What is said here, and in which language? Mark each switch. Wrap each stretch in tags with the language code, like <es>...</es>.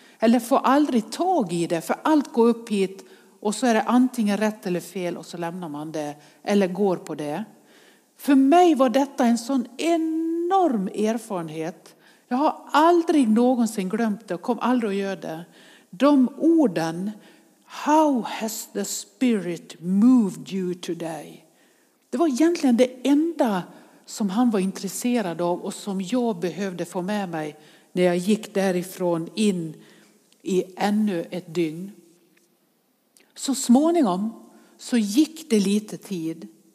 <sv>Eller får aldrig tag i det, för allt går upp hit och så är det antingen rätt eller fel och så lämnar man det eller går på det. För mig var detta en sån enorm erfarenhet. Jag har aldrig någonsin glömt det och kom aldrig att göra det. De orden,</sv> <en>how has the spirit moved you today?</en> <sv>Det var egentligen det enda som han var intresserad av och som jag behövde få med mig när jag gick därifrån in i ännu ett dygn. Så småningom så gick det lite tid.</sv>